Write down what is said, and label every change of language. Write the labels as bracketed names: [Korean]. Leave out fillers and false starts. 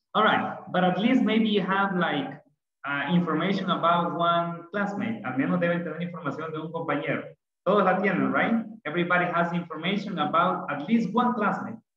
[English] All right, but at least maybe you have like information about one classmate. [Spanish] Al menos deben tener información de un compañero. Todos la tienen, right? [English] Everybody has information about at least one classmate.